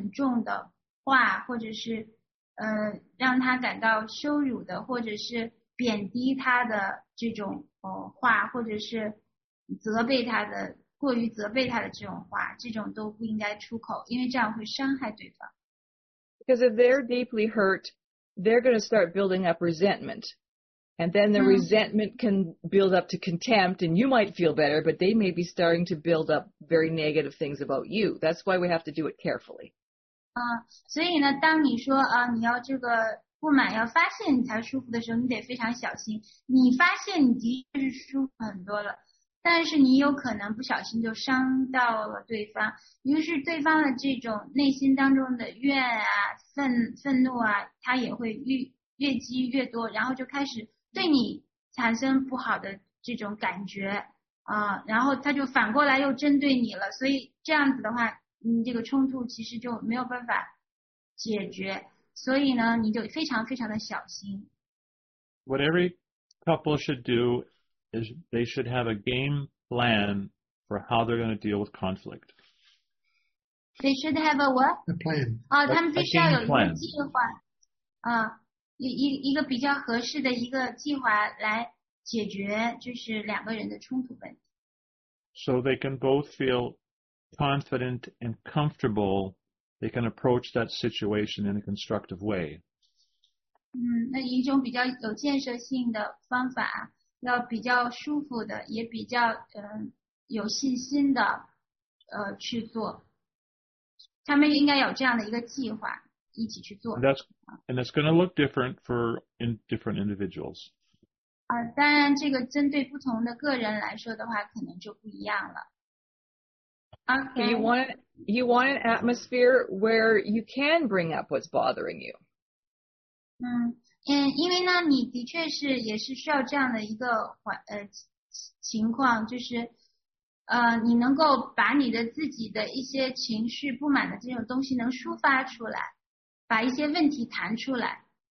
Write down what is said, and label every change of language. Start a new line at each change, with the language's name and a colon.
Chinese: 就是说我们可能会去表达一些情绪，然后自己发泄一下可能会觉得舒服一些，但是你特别要非常小心的，就是对对方不要说出很重的话，或者是 让他感到羞辱的，或者是贬低他的这种话，或者是责备他的，过于责备他的这种话，这种都不应该出口，因为这样会伤害对方。
English: Because if they're deeply hurt, they're going to start building up resentment. And then the resentment can build up to contempt, and you might feel better, but they may be starting to build up very negative things about you. That's why we have to do it carefully.
Chinese: 所以呢，当你说你要这个不满要发泄你才舒服的时候，你得非常小心。你发泄你的确是舒服很多了，但是你有可能不小心就伤到了对方。于是对方的这种内心当中的怨啊、愤怒啊，它也会越积越多，然后就开始对你产生不好的这种感觉啊，然后他就反过来又针对你了。所以这样子的话，你这个冲突其实就没有办法解决，所以呢，你就非常非常的小心。
English: What every couple should do is they should have a game plan for how they're going to deal with conflict. They should have a what? A plan.
Chinese: 哦，他们必须要有一个计划，啊，一个比较合适的一个计划来解决就是两个人的冲突问题。
English: So they can both feel confident and comfortable, they can approach that situation in a constructive way.
Chinese: 嗯，那一种比较有建设性的方法，要比较舒服的，也比较有信心的去做。他们应该有这样的一个计划，一起去做。
English: And that's going to look different for different individuals.
Chinese: 啊，当然这个针对不同的个人来说的话，可能就不一样了。
English: Okay. You want an atmosphere where you can bring up what's bothering you.
Chinese: 嗯，因为呢，你的确是也是需要这样的一个情况，就是你能够把你的自己的一些情绪不满的这种东西能抒发出来，把一些问题谈出来。